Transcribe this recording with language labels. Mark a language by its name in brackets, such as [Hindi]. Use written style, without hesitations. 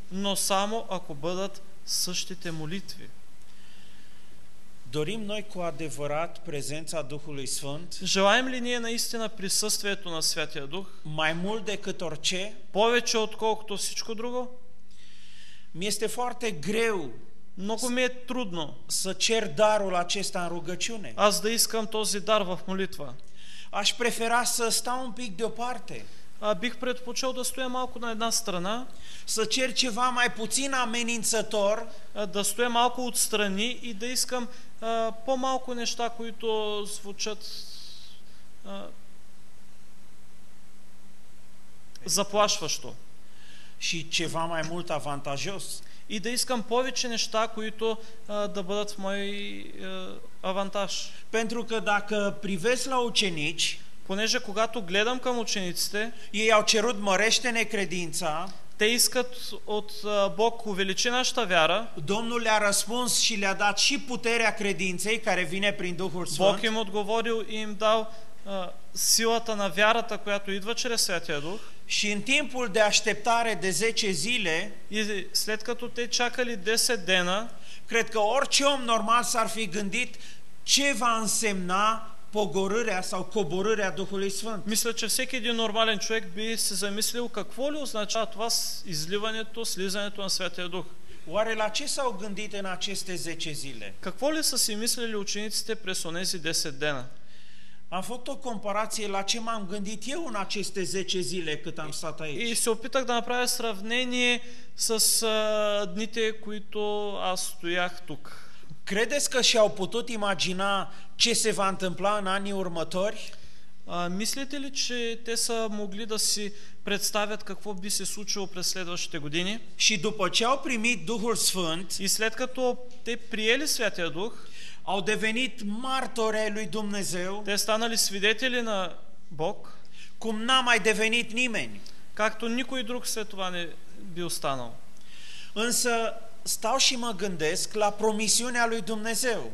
[Bulgarian] но само ако бъдат същите молитви. [Romanian] Dorim noi cu adevărat prezența Duhului Sfânt? [Bulgarian] Желаем ли ние наистина присъствието на Святия Дух? [Romanian] Mai mult decât orice? [Bulgarian] Повече отколкото всичко друго? [Romanian] Mi este foarte greu. [Bulgarian] Много ми е трудно. [Romanian] Să cer darul acesta în rugăciune. [Bulgarian] Аз да искам този дар в молитва. [Romanian] Aș prefera să stau un pic deoparte. [Bulgarian] Бих предпочел да стоя малко на една страна. [Romanian] Să cer ceva mai puțin amenințător. [Bulgarian] Да стоя малко отстрани и да искам по-малко неща, които звучат заплашващо. [Romanian] Și ceva mai mult avantajos. [Bulgarian] И да искам повече неща, които да бъдат в мой авантаж. [Romanian] Pentru că dacă privesc la ученици, [Bulgarian] понеже когато гледам към учениците, [Romanian] ei au cerut mărește-ne credința, [Bulgarian] те искат от Бог увеличи нашата вяра, [Romanian] Domnul le-a răspuns și le-a dat și puterea credinței care vine prin Duhul Sfânt. [Bulgarian] Бог им отговорил и им дал силата на вярата, която идва чрез Святия Дух. [Romanian] Și în timpul de așteptare de 10 zile, [Bulgarian] след като те чакали 10 дена, [Romanian] cred că orice om normal s-ar fi gândit ce va însemna pogorârea sau coborârea Duhului Sfânt. [Bulgarian] Мисля, че всеки един нормален човек би се замислил какво ли означава това изливането, слизането на Святия Дух. [Romanian] Oare la ce s-au gândit în aceste 10 zile? [Bulgarian] Какво ли са си мислили учениците през онези 10 дена? [Romanian] Am făcut o comparație la ce m-am gândit eu în aceste 10 zile cât am stat aici. [Bulgarian] И се опитах да направя сравнение с дните, които аз стоях тук. [Romanian] Credeți că și-au putut imagina ce se va întâmpla în anii următori? [Bulgarian] Мислите ли, че те са могли да си представят какво би се случило през следващите години? [Romanian] Și după ce au primit Duhul Sfânt, [Bulgarian] и след като те приели Святия Дух, [Romanian] au devenit martori lui Dumnezeu. [Bulgarian] Те станали свидетели на Бог. [Romanian] Cum n-a mai devenit nimeni. [Bulgarian] Както никой друг след това не би останал. [Romanian] Însă stau și mă gândesc la promisiunea lui Dumnezeu.